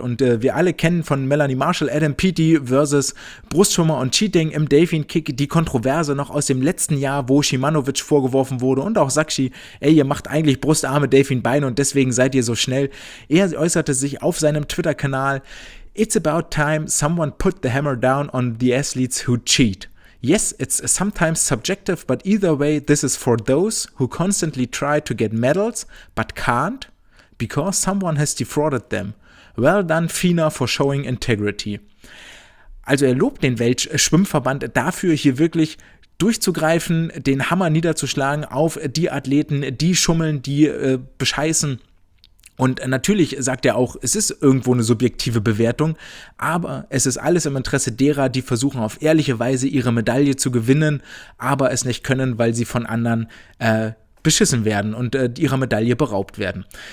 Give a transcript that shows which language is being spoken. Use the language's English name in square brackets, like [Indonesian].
[German] Und wir alle kennen von Melanie Marshall Adam Peaty versus Brustschwimmer und Cheating im Delfin-Kick die Kontroverse noch aus dem letzten Jahr, wo Szymanowicz vorgeworfen wurde und auch Sakshi, ey, ihr macht eigentlich Brustarme, Delfin-Beine und deswegen seid ihr so schnell. Er äußerte sich auf seinem Twitter-Kanal, [English] "It's about time someone put the hammer down on the athletes who cheat. Yes, it's sometimes subjective, but either way, this is for those who constantly try to get medals, but can't, because someone has defrauded them. Well done, FINA, for showing integrity." [German] Also er lobt den Weltschwimmverband dafür, hier wirklich durchzugreifen, den Hammer niederzuschlagen auf die Athleten, die schummeln, die bescheißen. Und natürlich sagt er auch, es ist irgendwo eine subjektive Bewertung, aber es ist alles im Interesse derer, die versuchen auf ehrliche Weise ihre Medaille zu gewinnen, aber es nicht können, weil sie von anderen beschissen werden und ihrer Medaille beraubt werden.